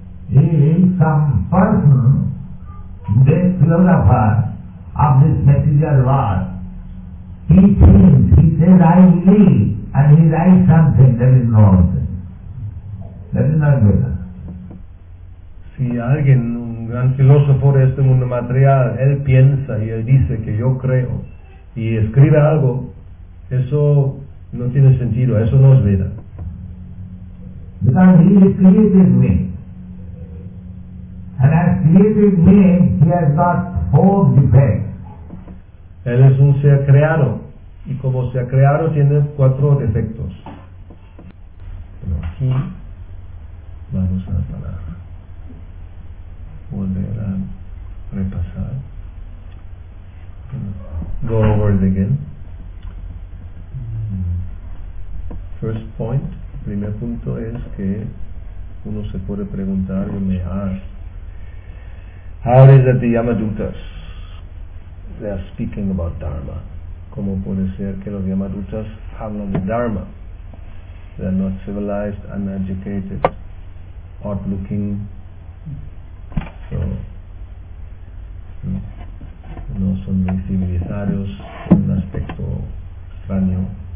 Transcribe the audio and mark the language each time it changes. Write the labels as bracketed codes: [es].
[en] If some person, this philosopher of this material world, he thinks, he says, I believe, and he writes something, that is nonsense. That is not Veda. [es] Si alguien, un gran filósofo de este mundo material, él piensa y él dice que yo creo, y escribe algo, eso no tiene sentido, eso no es Veda. [en] Because he created me. And as created me, he has got four defects. [es] Él es un ser creado, y como ser creado tiene cuatro defectos. Pero aquí vamos a la palabra. Volver a repasar. [en] Go over it again. First point, [es] primer punto es que uno se puede preguntar, yo me hago. [en] How is it the Yamadutas, they are speaking about Dharma? [es] ¿Cómo puede ser que los Yamadutas hablan de Dharma? [en] They are not civilized, uneducated, odd-looking, so, [es] no son muy civilizados, con un aspecto extraño.